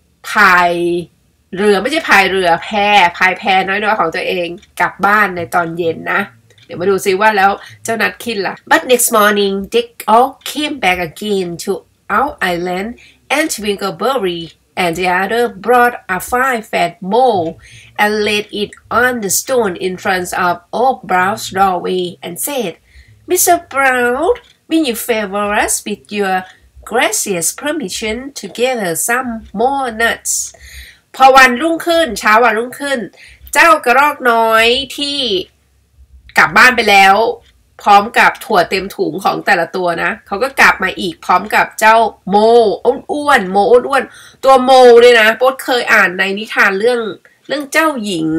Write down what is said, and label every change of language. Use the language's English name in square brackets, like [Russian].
[Thai] พายเรือไม่ใช่พายเรือพายแพน้อยๆของตัวเองกลับบ้านในตอนเย็นนะมาดูซิว่าแล้วเจ้านัทคินล่ะ [English] But next morning they all came back again toOur island and Twinkleberry and the other brought a fine fat mole and laid it on the stone in front of old Brown's doorway and said, Mr. Brown, will you favor us with your gracious permission to gather some more nuts? [Thai] พอวันรุ่งขึ้นเช้าวันรุ่งขึ้นเจ้ากระรอกน้อยที่กลับบ้านไปแล้วพร้อมกับถั่วเต็มถุงของแต่ละตัวนะเขาก็กลับมาอีกพร้อมกับเจ้าโมอ้วนโมอ้วนตัวโมเนี่ยนะโป๊ดเคยอ่านในนิทานเรื่องเจ้าห